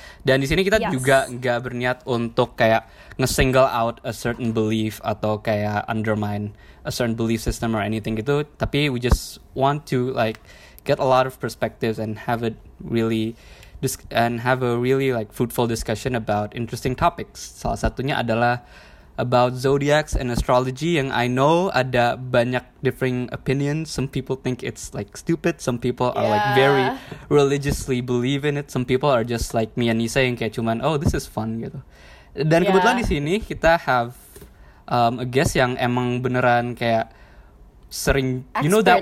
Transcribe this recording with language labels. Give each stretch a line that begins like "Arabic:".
Indonesian: Dan di sini kita juga nggak berniat untuk kayak nge-
English: single out a certain belief
Indonesian: atau kayak
English: undermine a certain belief system or anything
Indonesian: gitu.
English: Tapi we just want to like get a lot of perspectives and have it really have a really like fruitful discussion about interesting topics.
Indonesian: Salah satunya adalah
English: about zodiacs and astrology, yang I know
Indonesian: ada banyak
English: differing opinions. Some people think it's like stupid, some people are like very religiously believe in it, some people are just like me and Nisa
Indonesian: yang kayak cuman
English: oh this is fun gitu.
Indonesian: Dan kebetulan di sini kita
English: have a guest
Indonesian: yang emang beneran kayak sering
English: expert, you know that